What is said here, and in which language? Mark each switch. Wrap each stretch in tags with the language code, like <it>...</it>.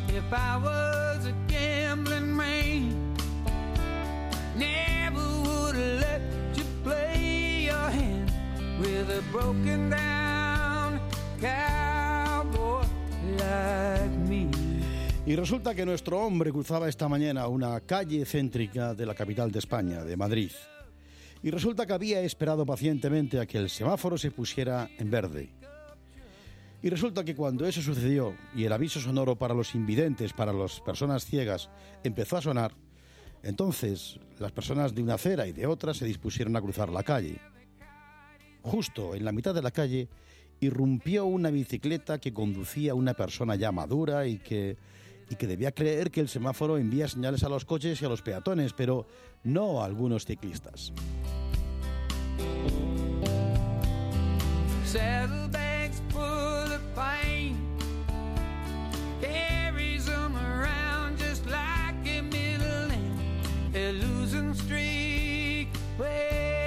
<en>if I was a gambling man, never would have let you play your hand with a broken down cowboy like me.</en> <es>Y resulta que nuestro hombre cruzaba esta mañana una calle céntrica de la capital de España, de Madrid. Y resulta que había esperado pacientemente a que el semáforo se pusiera en verde. Y resulta que cuando eso sucedió y el aviso sonoro para los invidentes, para las personas ciegas, empezó a sonar, entonces las personas de una acera y de otra se dispusieron a cruzar la calle. Justo en la mitad de la calle irrumpió una bicicleta que conducía una persona ya madura y que debía creer que el semáforo envía señales a los coches y a los peatones, pero no a algunos ciclistas.</es> <en>Saddlebags full of pain, carries them around just like a middle name, a losing streak waiting.</en>